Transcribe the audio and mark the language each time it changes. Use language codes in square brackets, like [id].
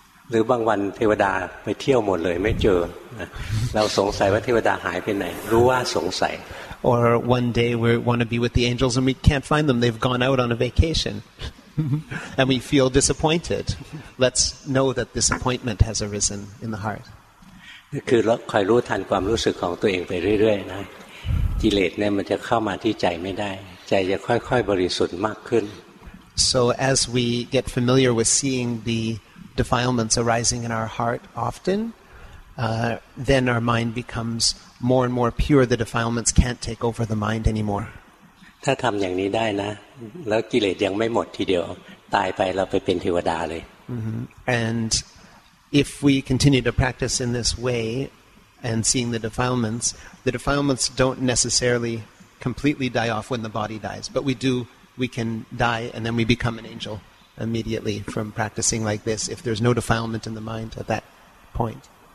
[th] หรือบางวันเทวดาไปเที่ยวหมดเลยไม่เจอเราสงสัยว่าเทวดาหายไปไหนรู้ว่าสงสัย [en] or one day we want to be with the angels and we can't find them they've gone out on a vacation and we feel disappointed let's know that disappointment has arisen in the heart [th] คือคอยรู้ทันความรู้สึกของตัวเองไปเรื่อยๆนะกิเลสเนี่ยมันจะเข้ามาที่ใจไม่ได้ใจจะค่อยๆบริสุทธิ์มากขึ้น [en] So as we get familiar with seeing the defilements arising in our heart often then our mind becomes more and more pure the defilements can't take over the mind anymore [th] ถ้าทำอย่างนี้ได้นะแล้วกิเลสยังไม่หมดทีเดียวตายไปเราไปเป็นเทวดาเลย [en] And if we continue to practice in this way and seeing the defilements don't necessarily completely die off when the body dies, but we can die and then we become an angel immediately from practicing like this if there's no defilement in the mind at that point.